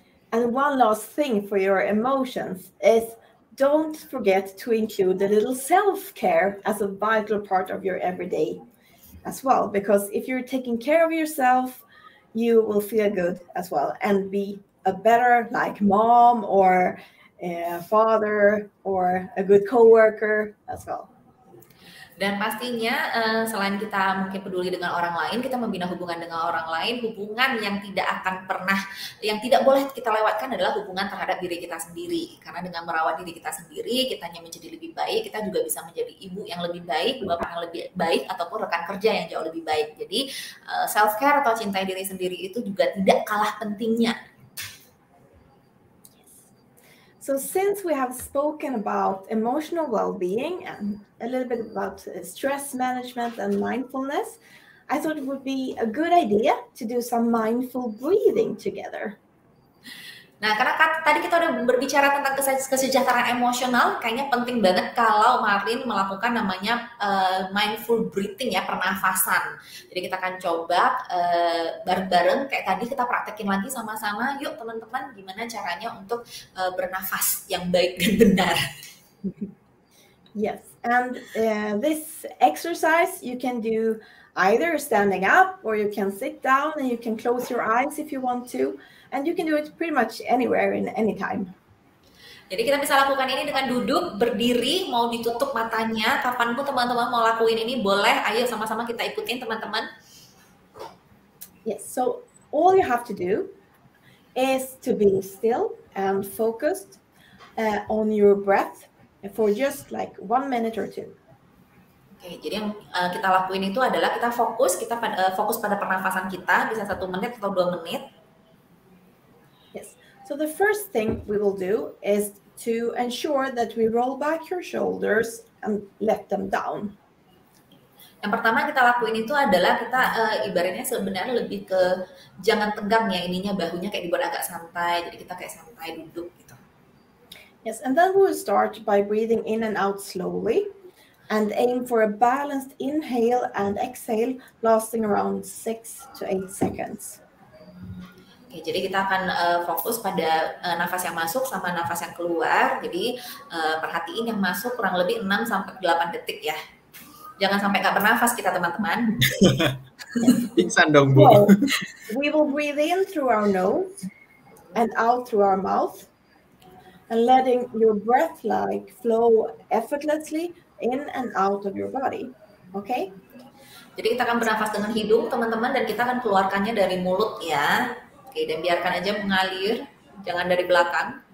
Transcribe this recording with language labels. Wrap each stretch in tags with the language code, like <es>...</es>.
<en>And one last thing for your emotions is don't forget to include a little self-care as a vital part of your everyday as well, because if you're taking care of yourself, you will feel good as well and be a better like mom or a father or a good coworker as well.</en> <id>Dan pastinya selain kita mungkin peduli dengan orang lain, kita membina hubungan dengan orang lain, hubungan yang tidak akan pernah, yang tidak boleh kita lewatkan adalah hubungan terhadap diri kita sendiri. Karena dengan merawat diri kita sendiri, kita hanya menjadi lebih baik, kita juga bisa menjadi ibu yang lebih baik, bapak yang lebih baik, ataupun rekan kerja yang jauh lebih baik. Jadi self-care atau cintai diri sendiri itu juga tidak kalah pentingnya.</id> <en>So since we have spoken about emotional well-being and a little bit about stress management and mindfulness, I thought it would be a good idea to do some mindful breathing together.</en> <id>Nah, karena tadi kita udah berbicara tentang kesejahteraan emosional, kayaknya penting banget kalau Marlin melakukan namanya mindful breathing ya, pernafasan. Jadi kita akan coba bareng-bareng kayak tadi kita praktekin lagi sama-sama. Yuk teman-teman, gimana caranya untuk bernafas yang baik dan benar.</id> <en>Yes, and this exercise you can do either standing up or you can sit down and you can close your eyes if you want to. And you can do it pretty much anywhere in any time.</en> <id>Jadi kita bisa lakukan ini dengan duduk, berdiri, mau ditutup matanya, kapanpun teman-teman mau lakuin ini boleh. Ayo sama-sama kita ikutin teman-teman.</id> <en>Yes, so all you have to do is to be still and focused on your breath for just like 1 minute or two.</en> <id>Oke, jadi yang kita lakuin itu adalah kita fokus, fokus pada pernafasan kita, bisa 1 menit atau 2 menit.</id> <en>So the first thing we will do is to ensure that we roll back your shoulders and let them down.</en> <id>Yang pertama kita lakuin itu adalah kita ibaratnya sebenarnya lebih ke jangan tegang ya ininya, bahunya kayak dibuat agak santai, jadi kita kayak santai duduk gitu.</id> <en>Yes, and then we'll start by breathing in and out slowly and aim for a balanced inhale and exhale lasting around 6 to 8 seconds.</en> <id>Oke, jadi kita akan fokus pada nafas yang masuk sama nafas yang keluar. Jadi perhatiin yang masuk kurang lebih 6 sampai 8 detik ya. Jangan sampai nggak bernafas kita teman-teman. Pingsan dong, Bu.</id> <en>We will breathe in through our nose and out through our mouth. And letting your breath like flow effortlessly in and out of your body. Okay?</en> <id>Jadi kita akan bernafas dengan hidung teman-teman dan kita akan keluarkannya dari mulut ya. Oke, dan biarkan aja mengalir, jangan dari belakang.</id>